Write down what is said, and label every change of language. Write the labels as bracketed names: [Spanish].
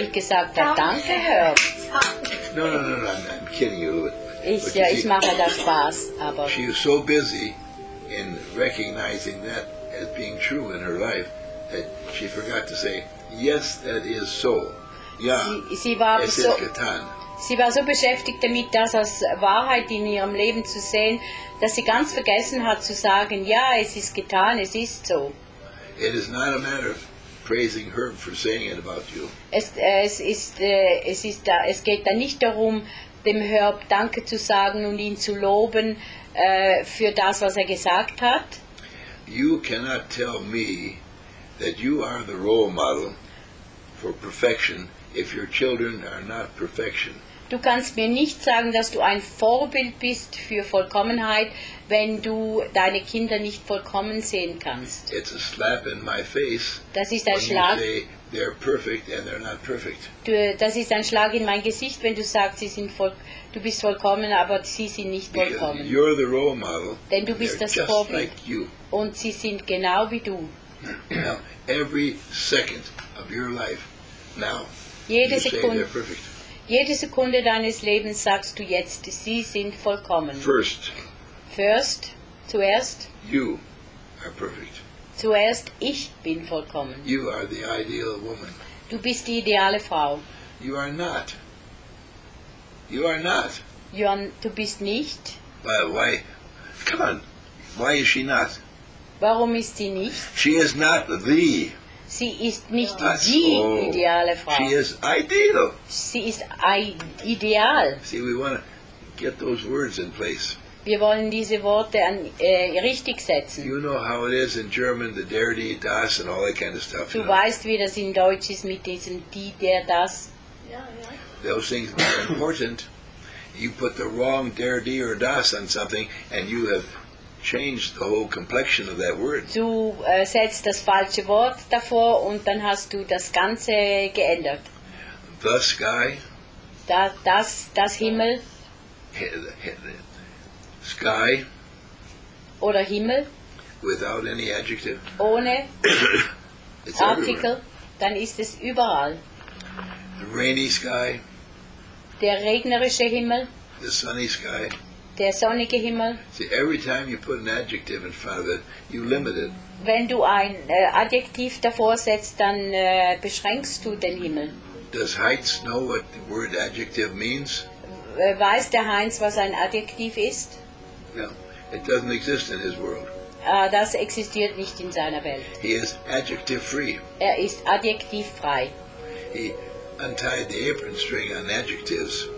[German] nicht gesagt hat, danke, Herb. [English] No, I'm kidding you. [German] Ich mache da Spaß, aber... [English] She was so busy in recognizing that as being true in her life, that she forgot to say, yes, that is so. [German] Ja, sie war getan. Sie war so beschäftigt damit, das als Wahrheit in ihrem Leben zu sehen, dass sie ganz vergessen hat zu sagen, ja, es ist getan, es ist so. [English] It is not a matter of praising Herb for saying it about you. [German] Es geht da nicht darum, dem Herb Danke zu sagen und ihn zu loben für das, was er gesagt hat. [English] You cannot tell me that you are the role model for perfection if your children are not perfection. [German] Du kannst mir nicht sagen, dass du ein Vorbild bist für Vollkommenheit, wenn du deine Kinder nicht vollkommen sehen kannst. [English] It's a slap in my face. [German] Das ist ein Schlag. [English] When you say they're perfect and they're not perfect. [German] Das ist ein Schlag in mein Gesicht, wenn du sagst, du bist vollkommen, aber sie sind nicht vollkommen. [English] Because you're the role model. [German] Denn du bist [English] they're [German] das Vorbild. [English] Just like you. [German] Und sie sind genau wie du. [English] Now, every second of your life, now, [German] jede [English] you [German] Sekunde. [English] Say they're perfect. [German] Jede Sekunde deines Lebens sagst du jetzt, sie sind vollkommen. [English] First, [German] zuerst. [English] You are perfect. [German] Zuerst, ich bin vollkommen. [English] You are the ideal woman. [German] Du bist die ideale Frau. [English] You are not. You are not. [German] Du bist nicht. [English] Why? Come on. Why is she not? [German] Warum ist sie nicht? [English] She is not the. [German] Sie ist nicht die ideale Frau. [English] She is ideal. [German] Sie ist ideal. [English] See, we want to get those words in place. [German] Wir wollen diese Worte richtig setzen. [English] You know how it is in German, the der, die, das and all that kind of stuff. [German] Du weißt, wie das in Deutsch ist mit diesem die, der, das. Ja, ja. [English] Those things are important. you put the wrong der, die, or das on something, and you have changed the whole complexion of that word. [German] Du setzt das falsche Wort davor und dann hast du das Ganze geändert. [English] The sky. [German] Das Himmel. [English] Sky. [German] Oder Himmel. [English] Without any adjective. [German] Ohne Artikel. Dann ist es überall. [English] The rainy sky. [German] Der regnerische Himmel. [English] The sunny sky. [German] Der sonnige Himmel. [English] See, every time you put an adjective in front of it, you limit it. [German] Wenn du ein Adjektiv davor setzt, dann beschränkst du den Himmel. [English] Does Heinz know what the word adjective means? [German] Weiß der Heinz, was ein Adjektiv ist? [English] No, it doesn't exist in his world. [German] Das existiert nicht in seiner Welt. [English] He is adjective free. [German] Er ist adjektivfrei. [English] He untied the apron string on adjectives.